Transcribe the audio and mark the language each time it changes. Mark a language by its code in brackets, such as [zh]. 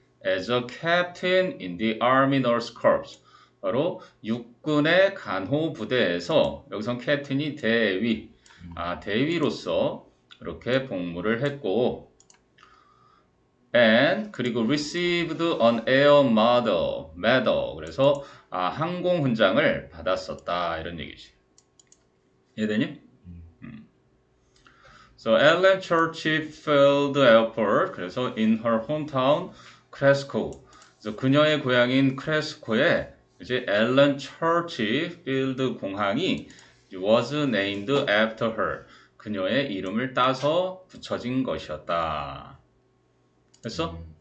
[en] As a captain in the Army Nurse Corps [ko] 바로 육군의 간호부대에서 여기서 캡틴이 대위 아, 대위로서 이렇게 복무를 했고 [en] and [ko] 그리고 [en] received an air medal [ko] 그래서 아, 항공 훈장을 받았었다 이런 얘기지. 이해되니? [en] So Ellen Churchfield Airport [ko] 그래서 [en] in her hometown Cresco [ko] 그래서 그녀의 고향인 크레스코에 이제 Ellen Churchfield 공항이 [en] was named after her. [ko] 그녀의 이름을 따서 붙여진 것이었다. 됐어?